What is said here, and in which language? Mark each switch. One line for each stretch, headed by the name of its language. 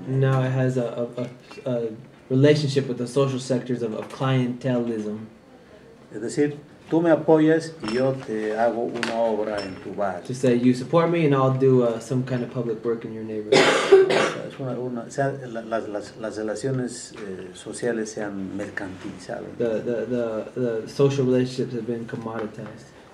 English: Now it has a relationship with the social sectors of clientelism.
Spanish: Es decir, tú me apoyas y yo te hago una obra en tu bar.
English: To say you support me and I'll do some kind of public work in your neighborhood.
Spanish: Es una, o sea, las relaciones sociales se han mercantilizado.
English: The social relationships have been commoditized.